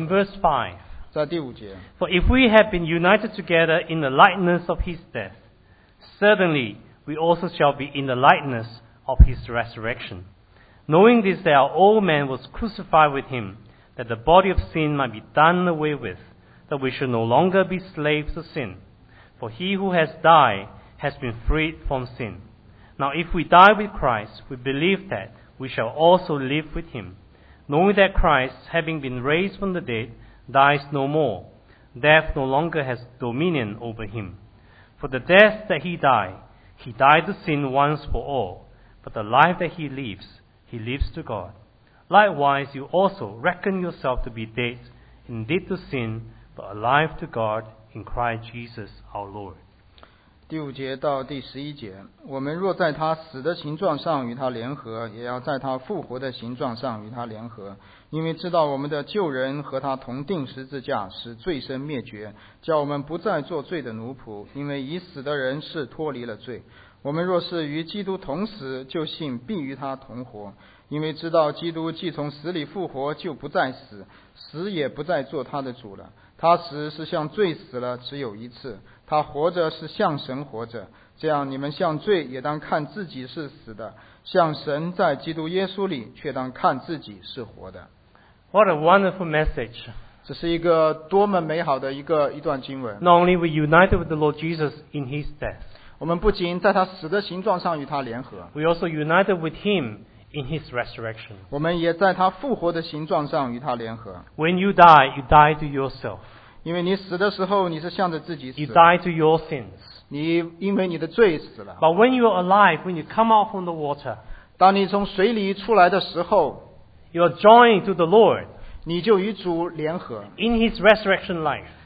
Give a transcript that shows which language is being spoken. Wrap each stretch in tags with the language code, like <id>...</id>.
<en>In verse 5.</en> <zh>在第五节</zh> <en>For if we have been united together in the likeness of his death, certainly we also shall be in the likeness of his resurrection. Knowing this, that our old man was crucified with him, that the body of sin might be done away with, that we should no longer be slaves to sin. For he who has died has been freed from sin. Now if we die with Christ, we believe that we shall also live with him. Knowing that Christ, having been raised from the dead,dies no more. Death no longer has dominion over him. For the death that he died to sin once for all. But the life that he lives to God. Likewise, you also reckon yourself to be dead, indeed to sin, but alive to God in Christ Jesus our Lord.</en> <zh>第五节到第十一节，我们若在他死的形状上与他联合，也要在他复活的形状上与他联合。因为知道我们的旧人和他同钉十字架，使罪身灭绝，叫我们不再做罪的奴仆。因为已死的人是脱离了罪。我们若是与基督同死，就信必与他同活。因为知道基督既从死里复活，就不再死，死也不再做他的主了。他死是向罪死了，只有一次；他活着是向神活着。这样，你们向罪也当看自己是死的，向神在基督耶稣里却当看自己是活的。</zh> <en>What a wonderful message!</en> <zh>这是一个多么美好的一段经文。</zh> <en>Not only we united with the Lord Jesus in His death,</en> <zh>我们不仅在他死的形状上与他联合</zh> <en>，we also united with Him in His resurrection.</en> <zh>我们也在他复活的形状上与他联合。</zh> <en>When you die, you die to yourself.</en> <zh>因为你死的时候，你是向着自己死。</zh> <en>You die to your sins.</en> <zh>你因为你的罪死了。</zh> <en>But when you are alive, when you come out from the water,</en> <zh>当你从水里出来的时候。</zh> <en>You are joined to the Lord.</en> <zh>你就与主联合。</zh> <en>In his resurrection life.</en>